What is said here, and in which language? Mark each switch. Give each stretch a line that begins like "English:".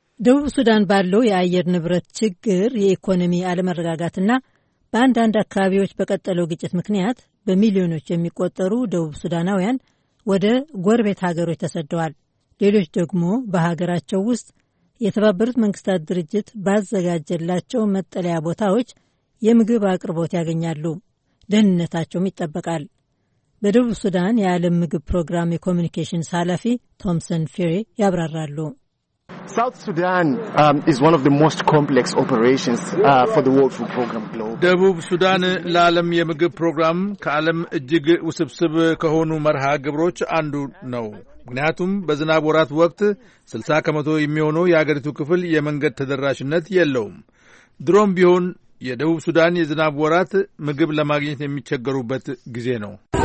Amharic: ደቡብ ሱዳን ባለው የአየር ንብረት ችግር፣ የኢኮኖሚ አለመረጋጋትና በአንዳንድ አካባቢዎች በቀጠለው ግጭት ምክንያት በሚሊዮኖች የሚቆጠሩ ደቡብ ሱዳናውያን ወደ ጎረቤት ሀገሮች ተሰደዋል። ሌሎች ደግሞ በሀገራቸው ውስጥ የተባበሩት መንግስታት ድርጅት ባዘጋጀላቸው መጠለያ ቦታዎች የምግብ አቅርቦት ያገኛሉ፣ ደህንነታቸውም ይጠበቃል። በደቡብ ሱዳን የዓለም ምግብ ፕሮግራም የኮሚኒኬሽንስ ኃላፊ ቶምሰን ፌሬ ያብራራሉ።
English: South Sudan is one of the most complex operations for the World Food Program globe.
Amharic: ደቡብ ሱዳን ለዓለም የምግብ ፕሮግራም ከዓለም እጅግ ውስብስብ ከሆኑ መርሃ ግብሮች አንዱ ነው። ምክንያቱም በዝናብ ወራት ወቅት 60 ከመቶ የሚሆነው የአገሪቱ ክፍል የመንገድ ተደራሽነት የለውም። ድሮም ቢሆን የደቡብ ሱዳን የዝናብ ወራት ምግብ ለማግኘት የሚቸገሩበት ጊዜ ነው።